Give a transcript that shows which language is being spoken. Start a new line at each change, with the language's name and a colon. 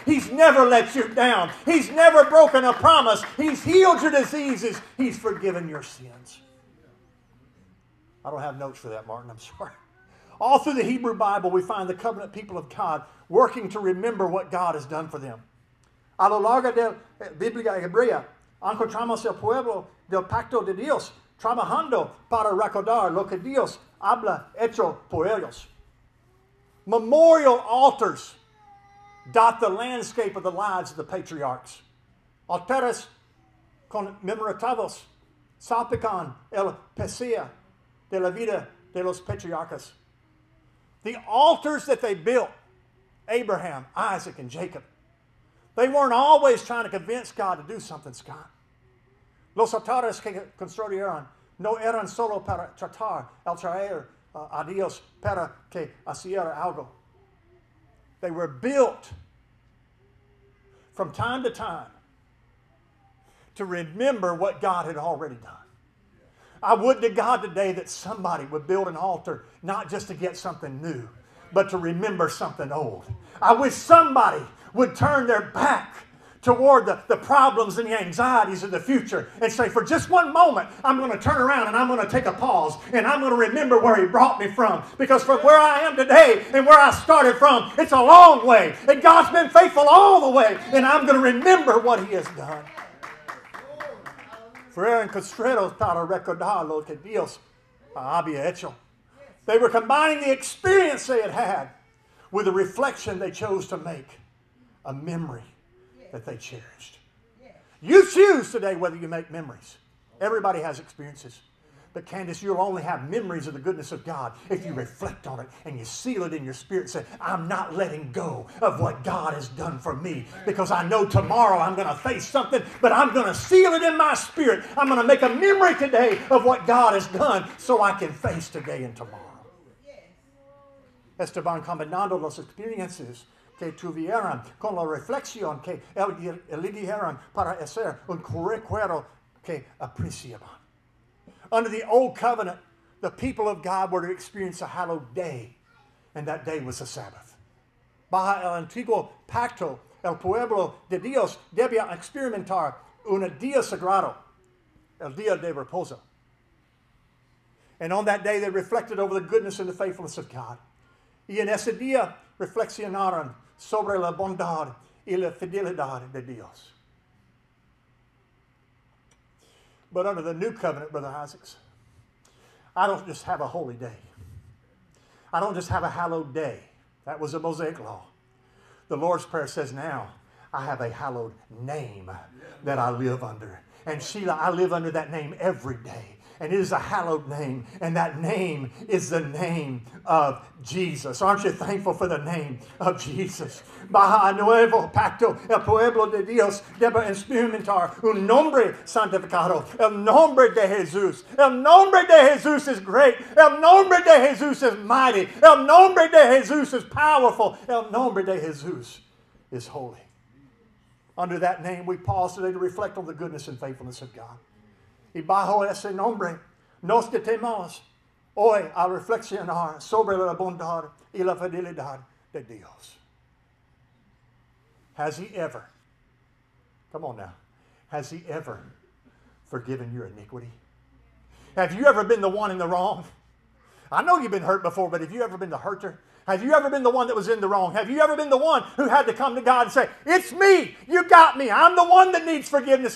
English: He's never let you down. He's never broken a promise. He's healed your diseases. He's forgiven your sins. I don't have notes for that, Martin. I'm sorry. All through the Hebrew Bible, we find the covenant people of God working to remember what God has done for them.
Spanish: A lo largo de la Biblia Hebrea, encontramos el pueblo del pacto de Dios trabajando para recordar lo que Dios habla hecho por ellos.
English: Memorial altars dot the landscape of the lives of the patriarchs.
Spanish: Altares conmemorativos salpican el paisaje de la vida de los patriarcas.
English: The altars that they built, Abraham, Isaac, and Jacob, they weren't always trying to convince God to do something, Scott.
Spanish: Los altares que construyeron no eran solo para tratar el traer a Dios para que hiciera algo.
English: They were built from time to time to remember what God had already done. I would to God today that somebody would build an altar, not just to get something new, but to remember something old. I wish somebody would turn their back toward the problems and the anxieties of the future and say, for just one moment, I'm going to turn around and I'm going to take a pause and I'm going to remember where He brought me from. Because from where I am today and where I started from, it's a long way. And God's been faithful all the way. And I'm going to remember what He has done.
Spanish: Fueron construidos para recordar lo que Dios había hecho.
English: They were combining the experience they had had with the reflection they chose to make, a memory that they cherished. You choose today whether you make memories. Everybody has experiences. But Candace, you'll only have memories of the goodness of God if you reflect on it and you seal it in your spirit and say, I'm not letting go of what God has done for me because I know tomorrow I'm going to face something, but I'm going to seal it in my spirit. I'm going to make a memory today of what God has done so I can face today and tomorrow.
Spanish: Esteban combinando las experiencias que tuvieron con la reflexión que eligieron para hacer un recuerdo que apreciaban.
English: Under the old covenant, the people of God were to experience a hallowed day, and that day was the Sabbath.
Spanish: Bajo el antiguo pacto, el pueblo de Dios debía experimentar un día sagrado, el día de reposo.
English: And on that day, they reflected over the goodness and the faithfulness of God.
Spanish: Y en ese día, reflexionaron sobre la bondad y la fidelidad de Dios.
English: But under the new covenant, Brother Isaacs, I don't just have a holy day. I don't just have a hallowed day. That was the Mosaic Law. The Lord's Prayer says now, I have a hallowed name that I live under. And Sheila, I live under that name every day. And it is a hallowed name. And that name is the name of Jesus. Aren't you thankful for the name of Jesus?
Spanish: Baja nuevo pacto el pueblo de Dios debe experimentar un nombre santificado. El nombre de Jesús. El nombre de Jesús
English: is great.
Spanish: El nombre de Jesús
English: is mighty.
Spanish: El nombre de Jesús
English: is powerful.
Spanish: El nombre de Jesús
English: is holy. Under that name, we pause today to reflect on the goodness and faithfulness of God.
Spanish: Y bajo ese nombre, nos detenemos hoy a reflexionar sobre la bondad y la fidelidad de Dios.
English: Has He ever, come on now, has He ever forgiven your iniquity? Have you ever been the one in the wrong? I know you've been hurt before, but have you ever been the hurter? Have you ever been the one that was in the wrong? Have you ever been the one who had to come to God and say, it's me, you got me, I'm the one that needs forgiveness.